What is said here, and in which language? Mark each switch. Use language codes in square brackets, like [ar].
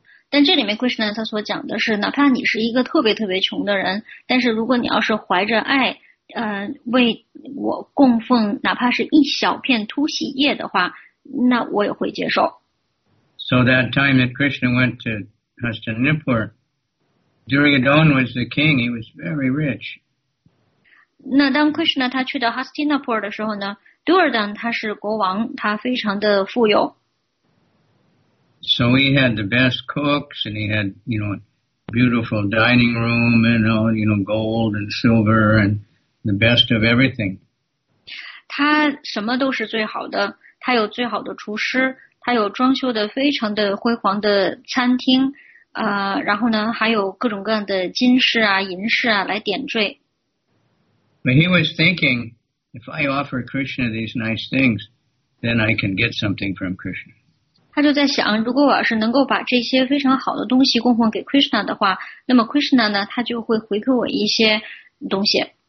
[zh] 但这里面 Krishna 他所讲的是，哪怕你是一个特别特别穷的人，但是如果你要是怀着爱，为我供奉哪怕是一小片突袭叶的话，那我也会接受。 [en] So that time that Krishna went to Hastinapur, Duryodhana was the king, he was very rich. [zh] 那当 Krishna 他去到 Hastinapur 的时候呢， Duryodhana 他是国王，他非常的富有。 [en] So he had the best cooks and he had, you know, beautiful dining room and all, you know, gold and silver and the best of everything. [zh] 他什么都是最好的，他有最好的厨师，他有装修的非常的辉煌的餐厅，然后呢还有各种各样的金饰啊银饰啊来点缀。 [en] But he was thinking, if I offer Krishna these nice things, then I can get something from Krishna. [zh] 他就在想，如果我要是能够把这些非常好的东西供奉给 Krishna 的话，那么 Krishna 呢他就会回给我一些东西。